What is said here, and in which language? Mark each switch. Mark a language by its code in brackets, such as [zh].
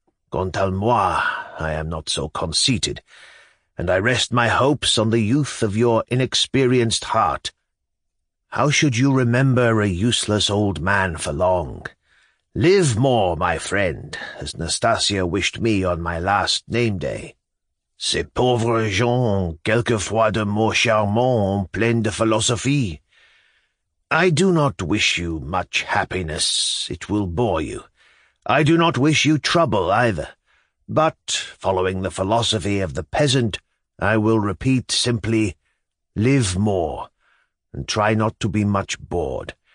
[fr] Quant à moi, [en] I am not so conceited, and I rest my hopes on the youth of your inexperienced heart. How should you remember a useless old man for long? Live more, my friend, as Nastasia wished me on my last name day. [fr] Ces pauvres gens, quelquefois de mots charmants, pleins de philosophie. [en] I do not wish you much happiness. It will bore you. I do not wish you trouble, either. But, following the philosophy of the peasant, I will repeat simply, live more, and try not to be much bored.